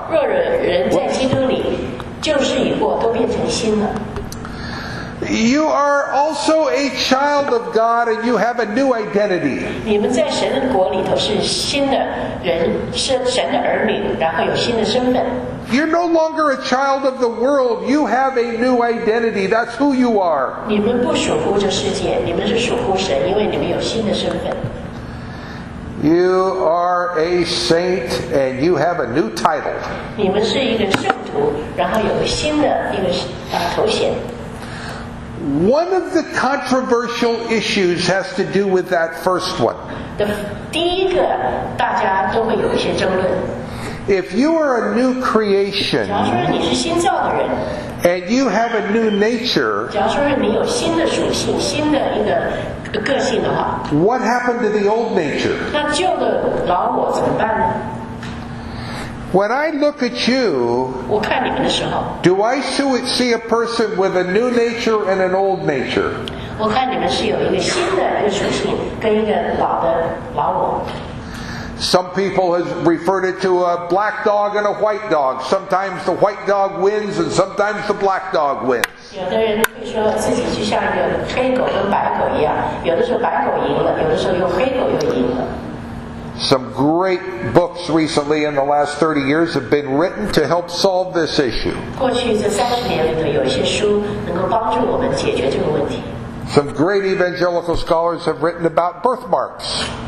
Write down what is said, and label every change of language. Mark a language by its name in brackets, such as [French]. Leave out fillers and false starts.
[Chinese] 若人在基督里，旧事已过，都变成新了。 [English] You are also a child of God, and you have a new identity. [Chinese] 你们在神的国里头是新的人，是神的儿女，然后有新的身份。 [English] You're no longer a child of the world. You have a new identity. That's who you are. [Chinese] 你们不属乎这世界，你们是属乎神，因为你们有新的身份。 [English] You are a saint, and you have a new title. [Chinese] 你们是一个圣徒，然后有新的一个头衔。 [English] One of the controversial issues has to do with that first one. [Chinese] 第一个大家都会有一些争论。 [English] If you are a new creation, [Chinese] 假如说你是新造的人， [English] and you have a new nature, [Chinese] 假如说你有新的属性，新的一个个性的话， [English] what happened to the old nature? [Chinese] 那旧的老我怎么办呢？ [English] When I look at you, [Chinese] 我看你们的时候， [English] do I see a person with a new nature and an old nature? [Chinese] 我看你们是有一个新的一个属性跟一个老的老我。 [English] Some people have referred it to a black dog and a white dog. Sometimes the white dog wins and sometimes the black dog wins. [Chinese] 有的人会说自己就像一个黑狗跟白狗一样，有的时候白狗赢了，有的时候又黑狗又赢了。 [English] Some great books recently in the last 30 years have been written to help solve this issue. [Chinese] 过去这30年里头有一些书能够帮助我们解决这个问题。 [English] Some great evangelical scholars have written about birthmarks.